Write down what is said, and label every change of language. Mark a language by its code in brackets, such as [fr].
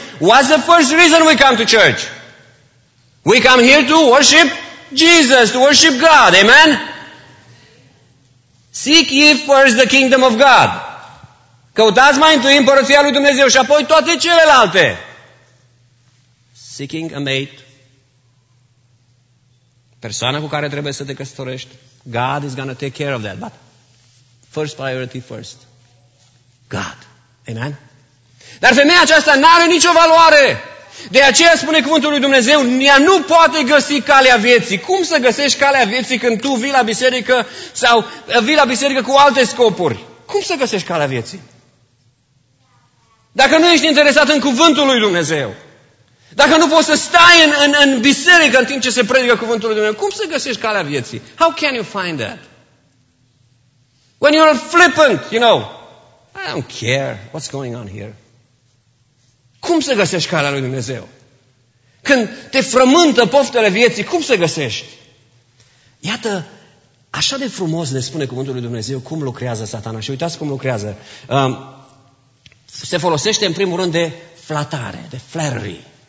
[en] What's the first reason we come to church? We come here to worship Jesus, to worship God, amen? Seek ye first the kingdom of God. [ro] Căutați mai întâi împărăția lui Dumnezeu și apoi toate celelalte. [en] Seeking a mate. [ro] Persoana cu care trebuie să te căsătorești. [en] God is going to take care of that. But first priority first. God. Amen? [ro] Dar femeia aceasta n-are nicio valoare. De aceea spune cuvântul lui Dumnezeu, ea nu poate găsi calea vieții. Cum să găsești calea vieții când tu vii la biserică sau vii la biserică cu alte scopuri? Cum să găsești calea vieții? Dacă nu ești interesat în cuvântul lui Dumnezeu, dacă nu poți să stai în biserică în timp ce se predică cuvântul lui Dumnezeu, cum să găsești calea vieții? [en] How can you find that? When you're flippant, you know, I don't care what's going on here. [ro] Cum să găsești calea lui Dumnezeu? Când te frământă poftele vieții, cum să găsești? Iată, așa de frumos ne spune cuvântul lui Dumnezeu cum lucrează Satana. Și uitați cum lucrează. Se folosește în primul rând de flatare, de flattery.